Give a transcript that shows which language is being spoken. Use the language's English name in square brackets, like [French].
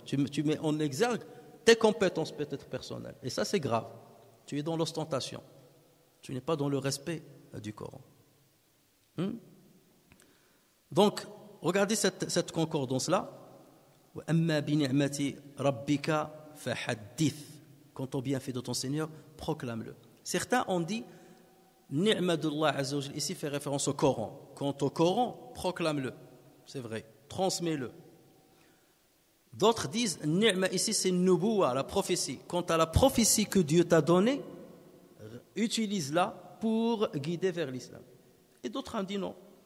[French] Tu mets en exergue tes compétences peut-être personnelles. Et ça, c'est grave. Tu es dans l'ostentation. Tu n'es pas dans le respect du Coran. Donc, regardez cette concordance-là. [Arabic] وَأَمَّا بِنِعْمَةِ رَبِّكَ فَحَدِّثْ. [French] Quand on bienfait de ton Seigneur, proclame-le. Certains ont dit [Arabic] نِعْمَةُ اللَّهِ عَزَّ وَجَلْ. [French] Ici fait référence au Coran. Quant au Coran, proclame-le. C'est vrai, transmets-le. D'autres disent نِعْمَة. Ici c'est نُبُوَة, la prophétie. Quant à la prophétie que Dieu t'a donnée, utilise-la pour guider vers l'islam. Et d'autres ont dit non.